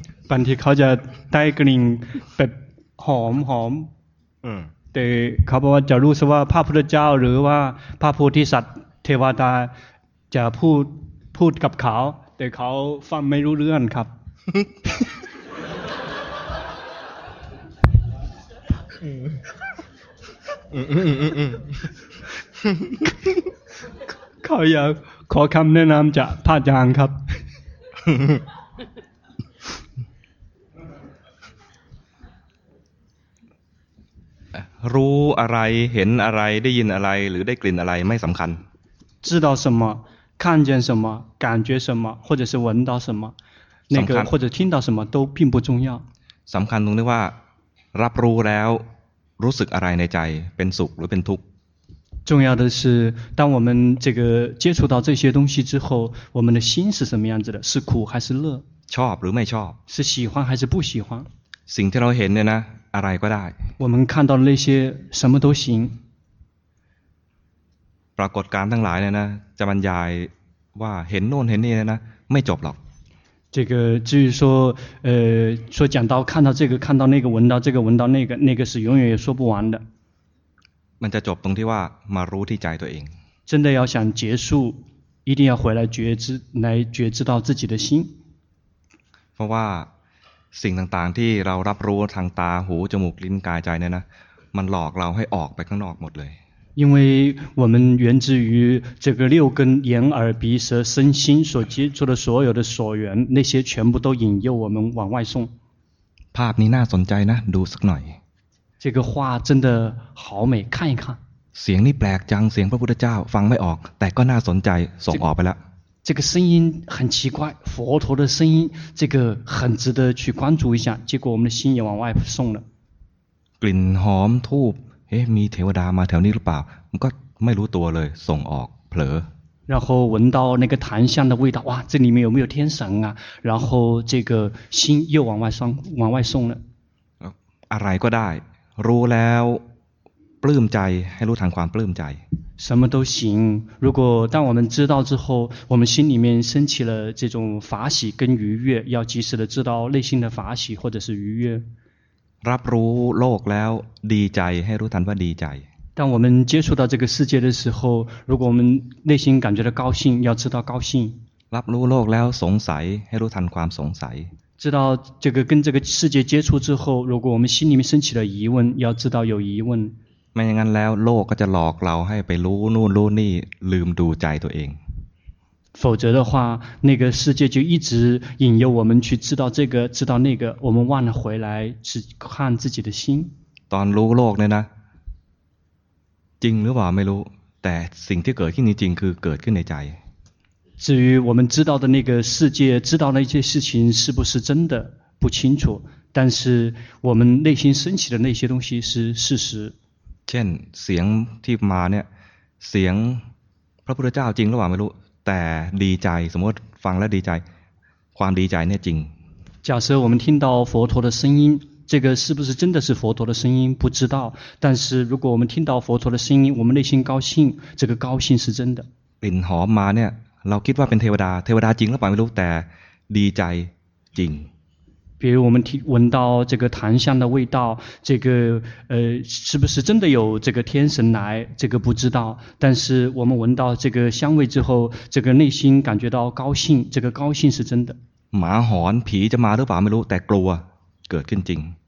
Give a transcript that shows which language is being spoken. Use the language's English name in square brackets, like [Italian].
[Thai] บางทีเขาจะได้กลิ่นแบบหอมหอมแต่เขาบอกว่าจะรู้สึกว่าพระพุทธเจ้าหรือว่าพระโพธิสัตว์เทวดาจะพูดกับเขาแต่เขาฟังไม่รู้เรื่องครับเขาอยากขอคำแนะนำจากพระอาจารย์ครับ รู้อะไรเห็นอะไรได้ยินอะไรหรือได้กลิ่นอะไรไม่สำคัญ [Chinese] 知道什么看见什么感觉什么或者是闻到什么那个或者听到什么都并不重要 [Thai] สำคัญตรงที่ว่ารับรู้แล้วรู้สึกอะไรในใจเป็นสุขหรือเป็นทุกข์ [Chinese] 重要的是当我们这个接触到这些东西之后我们的心是什么样子的是苦还是乐 [Thai] ชอบหรือไม่ชอบ [Chinese] 是喜欢还是不喜欢 [Thai] สิ่งที่เราเห็นเนี่ยนะอะไรก็ได้ [Chinese] 我们看到那些什么都行 [Thai] ปรากฏการณ์ทั้งหลายเนี่ยนะจะบรรยายว่าเห็นโน่นเห็นนี่นะไม่จบหรอก [Chinese] 这个至于说说讲到看到这个看到那个闻到这个闻到那个那个是永远也说不完的 [Thai] มันจะจบตรงที่ว่ามารู้ที่ใจตัวเอง [Chinese] 真的要想结束一定要回来觉知来觉知到自己的心 [Thai] เพราะว่าสิ่งต่างๆที่เรารับรู้ทางตาหูจมูกลิ้นกายใจเนี่ยนะมันหลอกเราให้ออกไปข้างนอกหมดเลย [Chinese] 因为我们源自于这个六根眼耳鼻舌身心所接触的所有的所缘那些全部都引诱我们往外送 [Thai] ภาพนี้น่าสนใจนะดูสักหน่อย [Chinese] 这个画真的好美看一看 [Thai] เสียงนี่แปลกจังเสียงพระพุทธเจ้าฟังไม่ออกแต่ก็น่าสนใจส่งออกไปแล้ว [Chinese] 这个声音很奇怪佛陀的声音这个很值得去关注一下结果我们的心也往外送了 [Thai] กลิ่นหอมธูปเอ๊ะมีเทวดามาแถวนี้หรือเปล่ามันก็ไม่รู้ตัวเลยส่งออกเผลอ [Chinese] 然后闻到那个檀香的味道哇这里面有没有天神啊然后这个心又往外送了 [Thai] อะไรก็ได้รู้แล้วปลื้มใจให้รู้ทางความปลื้มใจ [Chinese] 什么都行如果当我们知道之后我们心里面升起了这种法喜跟愉悦要及时的知道内心的法喜或者是愉悦 [Thai] รับรู้โลกแล้วดีใจให้รู้ทันว่าดีใจ [Chinese] 当我们接触到这个世界的时候如果我们内心感觉到高兴要知道高兴 [Thai] รับรู้โลกแล้วสงสัยให้รู้ทันความสงสัย [Chinese] 知道这个跟这个世界接触之后如果我们心里面升起了疑问要知道有疑问 [Thai] ไม่อย่างนั้นแล้วโลกก็จะหลอกเราให้ไปรู้นู่นรู้นี่ลืมดูใจตัวเอง [Chinese] 否则的话那个世界就一直引诱我们去知道这个知道那个我们忘了回来去看自己的心 [Thai] ตอนรู้โลกเนี่ยนะจริงหรือเปล่าไม่รู้แต่สิ่งที่เกิดขึ้นจริงคือเกิดขึ้นในใจ [Chinese] 至于我们知道的那个世界知道那些事情是不是真的不清楚但是我们内心升起的那些东西是事实 [Thai] เช่นเสียงที่มาเนี่ยเสียงพระพุทธเจ้าจริงหรือเปล่าไม่รู้แต่ดีใจสมมติฟังแล้วดีใจความดีใจเนี่ยจริง [Chinese] 假设我们听到佛陀的声音这个是不是真的是佛陀的声音不知道但是如果我们听到佛陀的声音我们内心高兴这个高兴是真的 [Thai] กลิ่นหอมมาเนี่ยเราคิดว่าเป็นเทวดาเทวดาจริงหรือเปล่าไม่รู้แต่ดีใจจริง [Chinese] 比如我们闻到这个檀香的味道这个是不是真的有这个天神来这个不知道但是我们闻到这个香味之后这个内心感觉到高兴这个高兴是真的马喊皮 [Thai] จะมาหรือเปล่าไม่รู้แต่กลัวเกิดขึ้นจริง